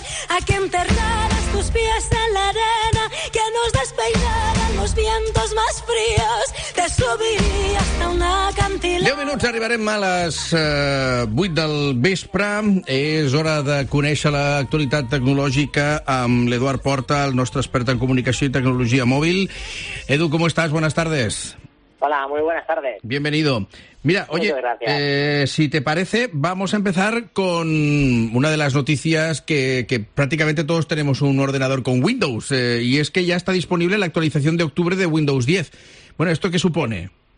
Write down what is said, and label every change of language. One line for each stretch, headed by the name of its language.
Spanish: A que enterraras tus pies en la arena, que nos despeinaran los vientos más fríos. Te subiría hasta una cantilena.
Catalan: 10 minuts, arribarem a les 8 del vespre. És hora de conèixer l'actualitat tecnològica amb l'Eduard Porta, el nostre expert en comunicació i tecnologia mòbil.
Spanish: Edu, ¿cómo estás? Buenas tardes. Hola, muy buenas tardes. Bienvenido. Mira, oye, si te parece, vamos a empezar con una de las noticias que prácticamente todos tenemos un ordenador con Windows, y es que ya está disponible la actualización de octubre de Windows 10. Bueno, ¿esto qué supone?